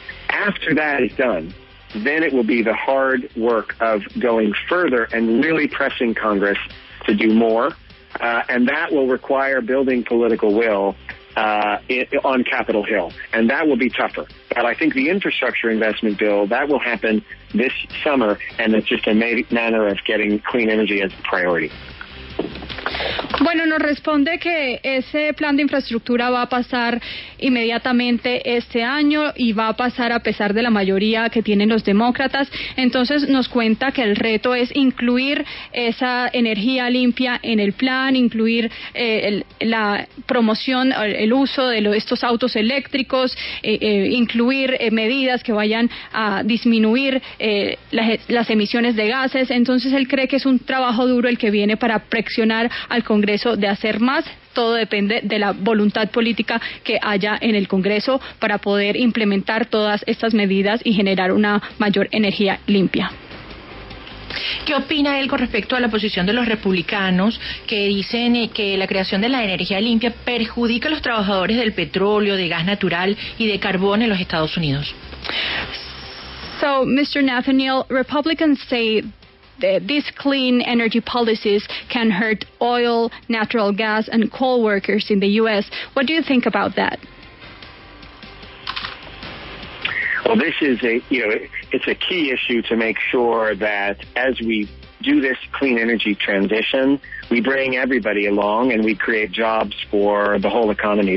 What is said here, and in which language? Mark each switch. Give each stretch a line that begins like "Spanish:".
English: After that is done, then it will be the hard work of going further and really pressing Congress to do more. And that will require building political will on Capitol Hill. And that will be tougher. But I think the infrastructure investment bill, that will happen this summer. And it's just a manner of getting clean energy as a priority.
Spanish: Bueno, nos responde que ese plan de infraestructura va a pasar inmediatamente este año y va a pasar a pesar de la mayoría que tienen los demócratas. Entonces nos cuenta que el reto es incluir esa energía limpia en el plan, incluir la promoción, el uso de estos autos eléctricos, incluir medidas que vayan a disminuir las emisiones de gases. Entonces él cree que es un trabajo duro el que viene para presionar al Congreso de hacer más. Todo depende de la voluntad política que haya en el Congreso para poder implementar todas estas medidas y generar una mayor energía limpia. ¿Qué opina él con respecto a la posición de los republicanos que dicen que la creación de la energía limpia perjudica a los trabajadores del petróleo, de gas natural y de carbón en los Estados Unidos?
English: So, Mr. Nathaniel, Republicans say these clean energy policies can hurt oil, natural gas, and coal workers in the U.S. What do you think about that? Well, this is it's a key issue to make sure that as we do this clean energy transition, we bring everybody along and we create jobs for the whole economy.